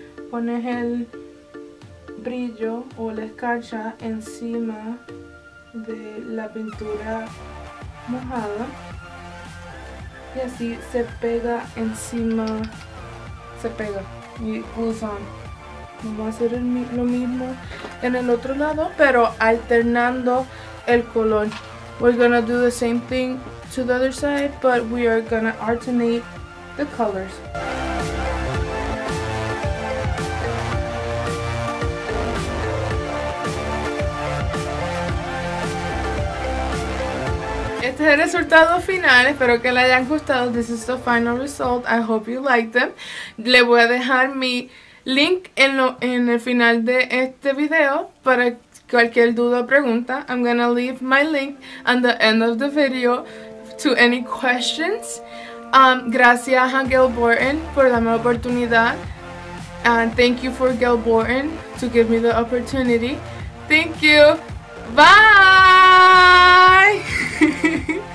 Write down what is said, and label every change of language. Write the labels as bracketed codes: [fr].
[es] Pones el brillo o la escarcha encima de la pintura mojada y así se pega encima, se pega y usa. Vamos a hacer lo mismo en el otro lado, pero alternando el color. [en] We're gonna do the same thing to the other side, but we are gonna alternate the colors. [es] Este es el resultado final, espero que le hayan gustado. [en] This is the final result, I hope you like them. [es] Le voy a dejar mi link en el final de este video para cualquier duda o pregunta. [en] I'm gonna leave my link on the end of the video to any questions. [es] Gracias a Gail Borton por darme la oportunidad. [en] And thank you for Gail Borton to give me the opportunity. Thank you. Bye!